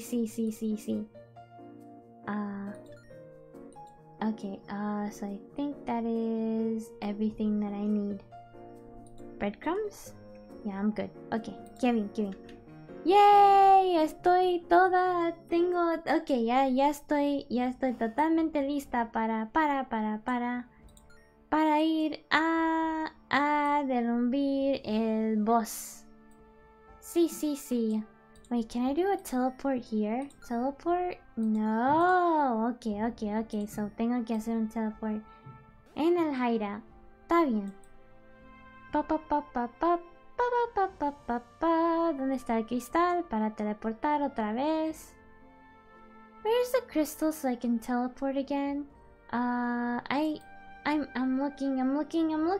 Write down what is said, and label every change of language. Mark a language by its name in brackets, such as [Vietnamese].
[English] So I think that is everything that I need. Breadcrumbs? Yeah, I'm good. Okay, Kevin. [Spanish] ¡Yay! Estoy toda... Tengo... Ok, ya estoy totalmente lista para ir a derrumbir el boss. [English] Sí. Wait, can I do a teleport here? Teleport? No. Okay. [Spanish] So tengo que hacer un teleport en el Haira. Está bien. Pa pa pa pa pa pa pa pa pa. ¿Dónde está el cristal para teleportar otra vez? [English] Where's the crystal so I can teleport again? I'm looking.